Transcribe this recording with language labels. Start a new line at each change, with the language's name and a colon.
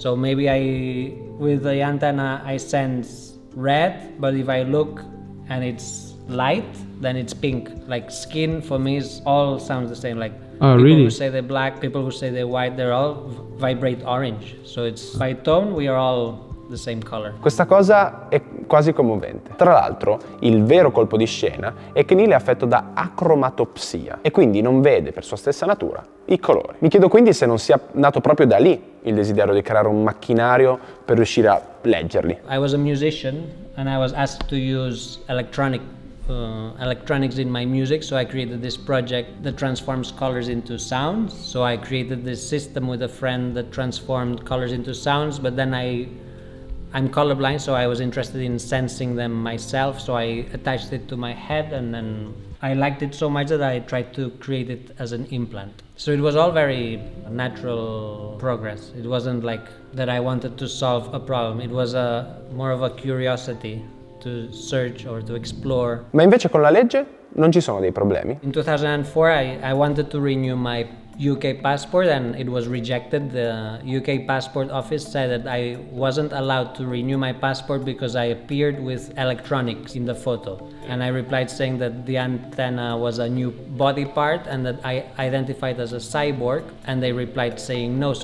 English: So maybe I, with the antenna, I sense red, but if I look and it's light, then it's pink. Like skin, for me, is all sounds the same. Like oh, people really? Who say they're black, people who say they're white, they're all vibrate orange. So it's by tone, we are all the same color.
Italian: Questa cosa è quasi commovente. Tra l'altro, il vero colpo di scena è che Neil è affetto da acromatopsia e quindi non vede, per sua stessa natura, i colori. Mi chiedo quindi se non sia nato proprio da lì il desiderio di creare un macchinario per riuscire a leggerli.
English: I was a musician and I was asked to use electronics in my music, so I created this project that transforms colors into sounds. So I created this system with a friend that transformed colors into sounds, but then I'm colorblind, so I was interested in sensing them myself, so I attached it to my head, and then I liked it so much that I tried to create it as an implant. So it was all very natural progress. It wasn't like that I wanted to solve a problem. It was more of a curiosity to search or to explore.
Italian: Ma invece con la legge non ci sono dei problemi.
English: In 2004 I wanted to renew my UK passport and it was rejected. The UK passport office said that I wasn't allowed to renew my passport because I appeared with electronics in the photo. And I replied saying that the antenna was a new body part and that I identified as a cyborg, and they replied saying no.